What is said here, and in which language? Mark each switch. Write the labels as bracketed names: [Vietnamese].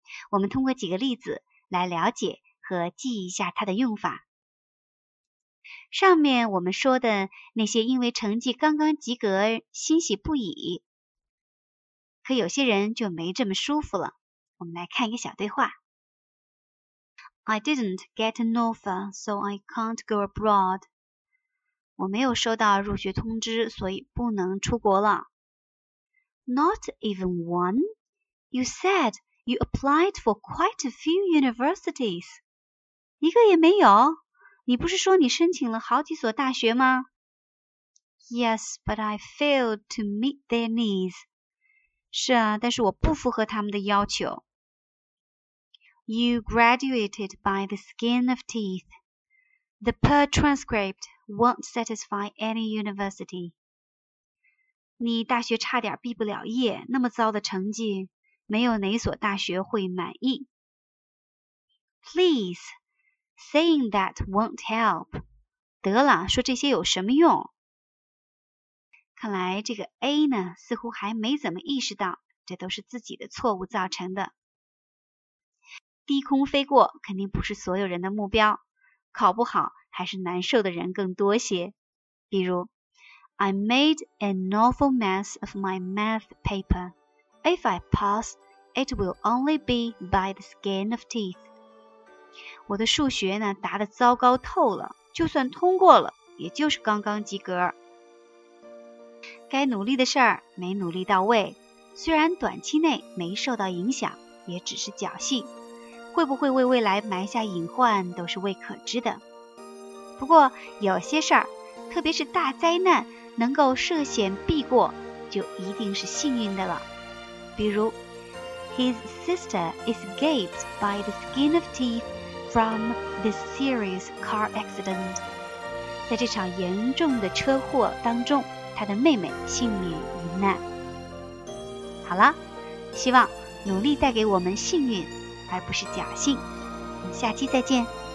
[Chinese] 我们通过几个例子来了解和记一下它的用法。上面我们说的那些因为成绩刚刚及格欣喜不已，可有些人就没这么舒服了。我们来看一个小对话。 [English] I didn't get an offer, so I can't go abroad. [Chinese] 我没有收到入学通知，所以不能出国了。 [English] Not even one? You said you applied for quite a few universities. [Chinese] 一个也没有？你不是说你申请了好几所大学吗？ [English] Yes, but I failed to meet their needs. [Chinese] 是啊，但是我不符合他们的要求。 [English] You graduated by the skin of teeth. The per transcript won't satisfy any university. [Chinese] 你大学差点毕不了业，那么糟的成绩，没有哪所大学会满意。 [English] Please, saying that won't help. [Chinese] 得了，说这些有什么用？看来这个 A 呢，似乎还没怎么意识到，这都是自己的错误造成的。低空飞过肯定不是所有人的目标，考不好还是难受的人更多些。比如 [English] I made an awful mess of my math paper. If I pass, it will only be by the skin of teeth. [Chinese] 我的数学呢答得糟糕透了，就算通过了也就是刚刚及格。该努力的事儿没努力到位，虽然短期内没受到影响，也只是侥幸，会不会为未来埋下隐患都是未可知的。不过有些事儿，特别是大灾难，能够涉险避过就一定是幸运的了。比如 [English] His sister escaped by the skin of teeth from the serious car accident. [Chinese] 在这场严重的车祸当中，他的妹妹幸免于难。好了，希望努力带给我们幸运而不是侥幸，下期再见。